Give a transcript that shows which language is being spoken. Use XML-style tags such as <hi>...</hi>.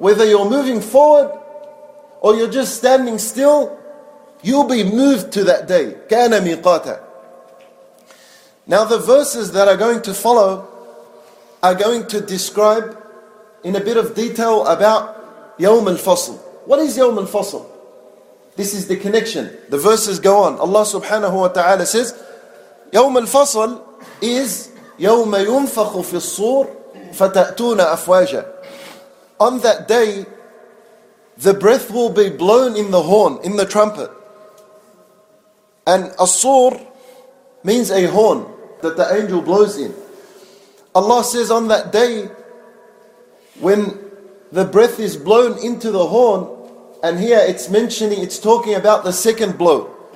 <en>Whether you're moving forward or you're just standing still, you'll be moved to that day.</en> <ar>كَانَ مِيقَاتًا.</ar> <en>Now the verses that are going to follow are going to describe in a bit of detail about</en> <ar>يَوْم الْفَصْل.</ar> <en>What is يَوْم الْفَصْل? This is the connection. The verses go on. Allah subhanahu wa ta'ala says,</en> <ar>يَوْم الْفَصْل</ar> <en>is</en> <ar>يَوْمَ يُنْفَخُ فِي الصُّورِ فَتَأْتُونَ أَفْوَاجًا.</ar> <en>On that day, the breath will be blown in the horn, in the trumpet. And الصور means a horn that the angel blows in. Allah says on that day, when the breath is blown into the horn, and here it's mentioning, it's talking about the second blow.</en>